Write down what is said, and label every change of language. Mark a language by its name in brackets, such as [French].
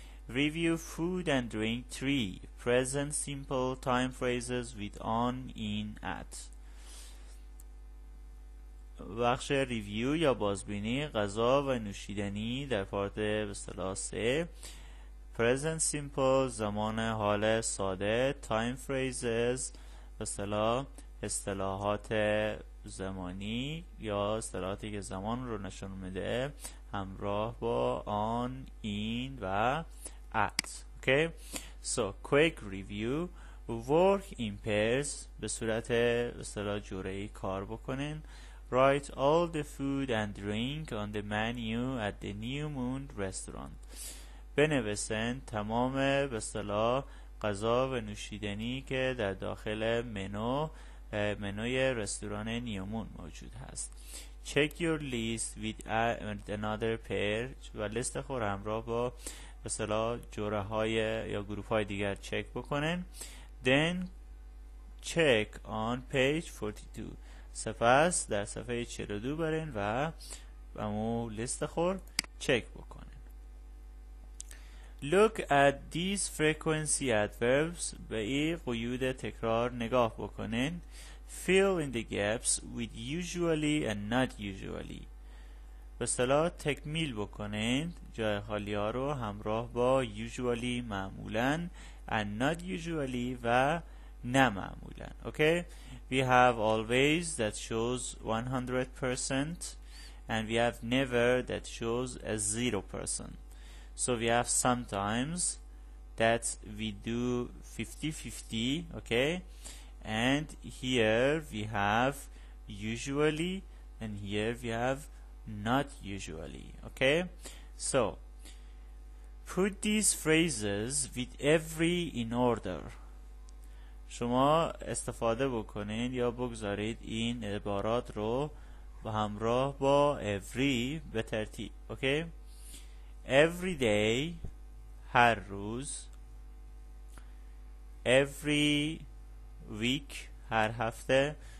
[English] Review food and drink three present simple time phrases with on, in, at. [Persian] بخش ریویو یا بازبینی غذا و نوشیدنی در پارت به اصطلاح 3. [English] Present simple [Persian] زمان حال ساده. [English] Time phrases [Persian] به اصطلاح اصطلاحات زمانی یا اصطلاحاتی که زمان رو نشون میده همراه با on, in و at. [English] Okay. So quick review. Work in pairs [Persian] به صورت به اصطلاح جوره ای کار بکنین. [English] Write all the food and drink on the menu at the New Moon restaurant. [Persian] بنویسن تمام به اصطلاح غذا و نوشیدنی که در داخل منوی رستوران نیو مون موجود هست. [English] Check your list with another pair [Persian] و لیست خود همراه با به اصطلاح جوره های یا گروپ های دیگر چک بکنن. [English] Then check on page 42. [Persian] سپس در صفحه 42 برین و امو لیست خور چک بکنین. [English] Look at these frequency adverbs [Persian] به ای قیود تکرار نگاه بکنین. [English] Fill in the gaps with usually and not usually. [Persian] به اصطلاح تکمیل بکنین جای خالی ها رو همراه با usually معمولا [English] and not usually [Persian] و نه معمولا. [English] Okay, we have always that shows 100% and we have never that shows a 0%. So we have sometimes that we do 50-50. Okay, and here we have usually and here we have not usually. Okay, so put these phrases with every in order. [Persian] شما استفاده بکنین یا بگذارید این عبارات رو با همراه با every به ترتیب. اوکی. [English] Every day [Persian] هر روز. [English] Every week [Persian] هر هفته.